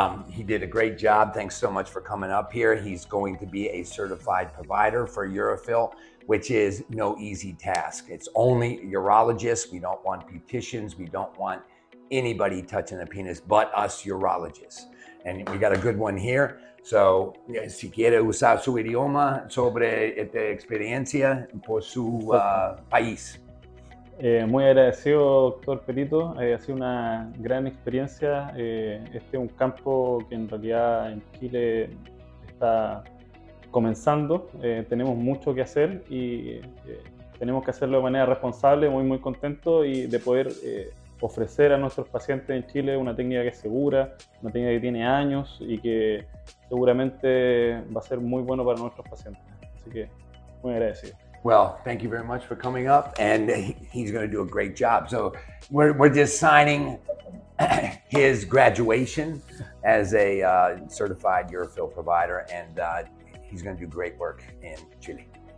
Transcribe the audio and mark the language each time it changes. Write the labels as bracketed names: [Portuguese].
[English] He did a great job. Thanks so much for coming up here. He's going to be a certified provider for UroFill, which is no easy task. It's only urologists. We don't want beauticians. We don't want anybody touching the penis but us urologists. And we got a good one here. [Spanish] So, si quiere usar su idioma sobre esta experiencia por su país. Muy agradecido, doctor Perito. Ha sido una gran experiencia. Este es un campo que en realidad en Chile está comenzando. Tenemos mucho que hacer y tenemos que hacerlo de manera responsable. Muy, muy contento y de poder ofrecer a nuestros pacientes en Chile una técnica que es segura, una técnica que tiene años y que seguramente va a ser muy bueno para nuestros pacientes. Así que, muy agradecido. [English] Well, thank you very much for coming up, and he's going to do a great job. So we're just signing his graduation as a certified UroFill provider, and he's going to do great work in Chile.